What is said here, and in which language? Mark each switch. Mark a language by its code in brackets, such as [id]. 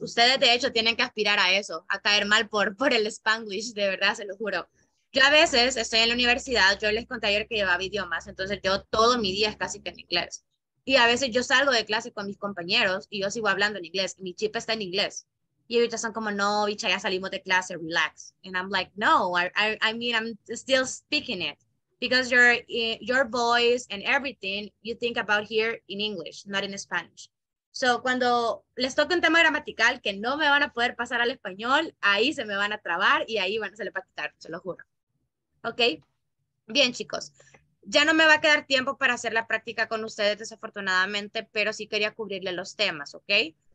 [es] Ustedes de hecho tienen que aspirar a eso, a caer mal por el Spanglish, de verdad, se lo juro. Yo a veces estoy en la universidad, yo les conté ayer que llevaba idiomas, entonces yo todo mi día es casi que en inglés. Y a veces yo salgo de clase con mis compañeros y yo sigo hablando en inglés, mi chip está en inglés. Y ellos son como, no, bicha, ya salimos de clase, relax. [en] And I'm like, no, I mean, I'm still speaking it. Because your voice and everything, you think about here in English, not in Spanish. [es] So cuando les toca un tema gramatical que no me van a poder pasar al español, ahí se me van a trabar y ahí van a salir para quitar, se lo juro. ¿Ok? Bien, chicos. Ya no me va a quedar tiempo para hacer la práctica con ustedes, desafortunadamente, pero sí quería cubrirle los temas, ¿ok?